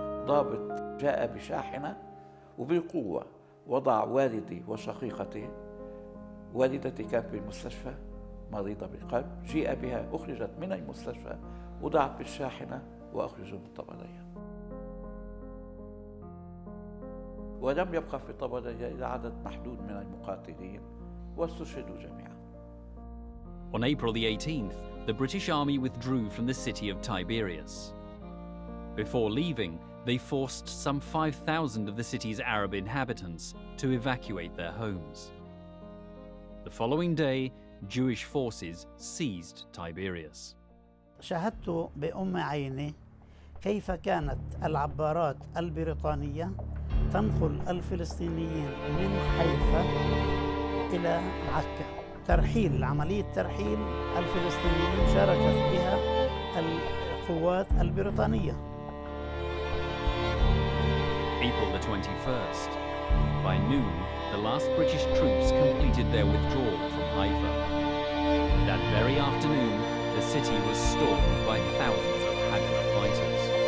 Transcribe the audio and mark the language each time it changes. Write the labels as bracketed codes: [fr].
[ar] ضابط جاء بشاحنة وبقوة وضع والدي وشقيقتي، والدتي كانت بالمستشفى مريضة بالقلب، جيء بها أخرجت من المستشفى وضعت بالشاحنة وأخرجوا من طبلية. ولم يبقى في طبلية إلا عدد محدود من المقاتلين واستشهدوا جميعا. [en] On April the 18th, the British Army withdrew from the city of Tiberias. Before leaving, they forced some 5,000 of the city's Arab inhabitants to evacuate their homes. The following day, Jewish forces seized Tiberias. [ar] شاهدت بأم عيني كيف كانت العبارات البريطانية تنقل الفلسطينيين من حيفا إلى عكا. ترحيل، عملية ترحيل الفلسطينيين شاركت بها القوات البريطانية. [en] April the 21st. By noon, the last British troops completed their withdrawal from Haifa. That very afternoon, the city was stormed by thousands of Haganah fighters.